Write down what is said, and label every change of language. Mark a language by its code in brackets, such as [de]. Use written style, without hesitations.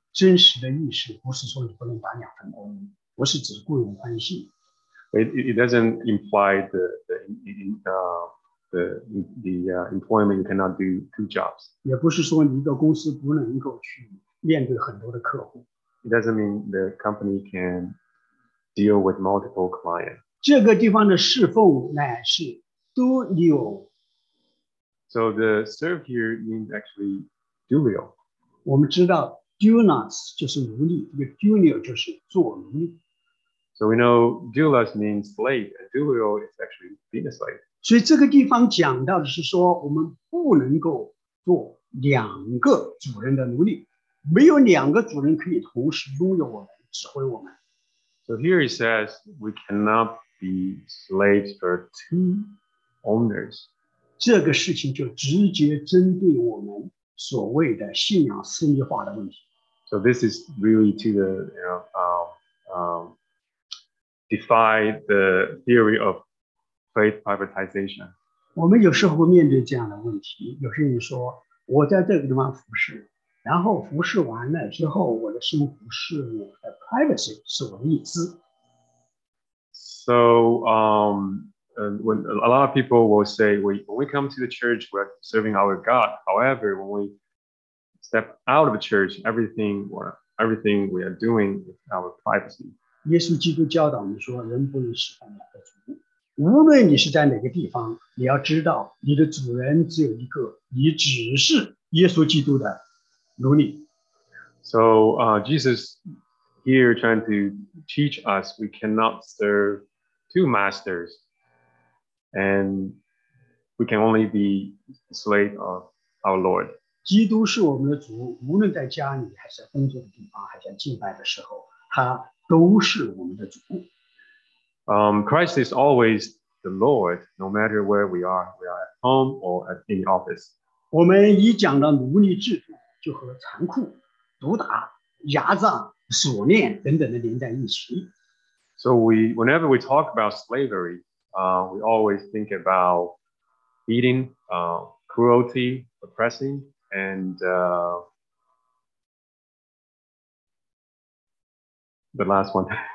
[zh] 真实的意识不是说你不能打两份工，不是只雇佣关系。 [en] It doesn't imply the employment cannot do two jobs. [zh] 也不是说你一个公司不能够去面对很多的客户。 [en] It doesn't mean the company can deal with multiple clients. [zh] 这个地方的侍奉乃是doulio。 [en] So the serve here means actually doulio. [zh] 我们知道doulos 就是奴隶，这个doulio就是做奴隶。 [en] So we know doulos means slave, and doulio is actually being a slave. [zh] 所以这个地方讲到的是说，我们不能够做两个主人的奴隶，没有两个主人可以同时拥有我们、指挥我们。 [en] So here he says we cannot be slaves for two owners. [zh] 这个事情就直接针对我们所谓的信仰私密化的问题。 [en] So this is really to the, you know, defy the theory of faith privatization. [zh] 我们有时候面对这样的问题，有些人说，我在这个地方服侍，然后服侍完了之后，我的生活是我的 privacy， 是我的隐私。 [en] So, when a lot of people will say, when we come to the church, we're serving our God. However, when we step out of the church, everything we are doing is our privacy. [zh] 耶稣基督教导我们说，人不能侍奉两个主人。无论你是在哪个地方，你要知道你的主人只有一个，你只是耶稣基督的奴隶。 [en] So, Jesus here trying to teach us we cannot serve two masters, and we can only be slave of our Lord. [zh] 基督是我们的主，无论在家里还是工作的地方，还是敬拜的时候，他都是我们的主。 [en] Christ is always the Lord, no matter where we are. We are at home or at any office. [zh] 我们已讲到奴隶制度，就和残酷、毒打、压榨、锁链等等的连在一起。 [en] So whenever we talk about slavery, we always think about beating, cruelty, oppressing, and the last one.